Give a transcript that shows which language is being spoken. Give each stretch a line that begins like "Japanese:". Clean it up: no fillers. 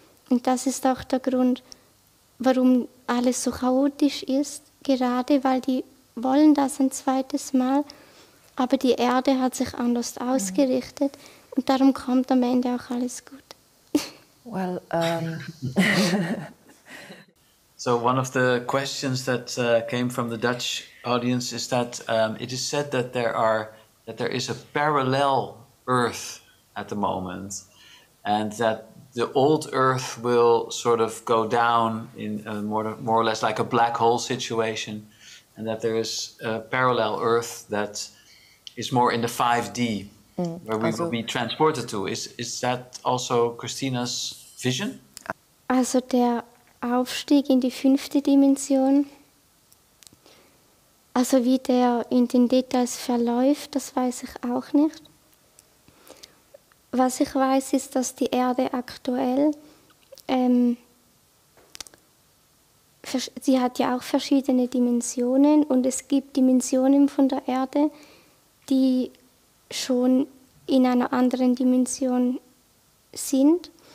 German: Und das ist auch der Grund, warum alles so chaotisch ist, gerade weil die wollen das ein zweites Mal, aber die Erde hat sich anders ausgerichtet und darum kommt am Ende auch alles gut.
English: Well, So one of the questions that came from the Dutch audience is that it is said that there is a parallel Earth at the moment and that the old Earth will sort of go down in a more or less like a black hole situation, and that there is a parallel Earth that is more in the 5D, where we will be transported to. Is that also Christina's vision?
German: Also der Aufstieg in die fünfte Dimension, also wie der in den Details verläuft, das weiß ich auch nicht. Was ich weiß, ist, dass die Erde aktuell, sie hat ja auch verschiedene Dimensionen und es gibt Dimensionen von der Erde, die schon in einer anderen Dimension sind.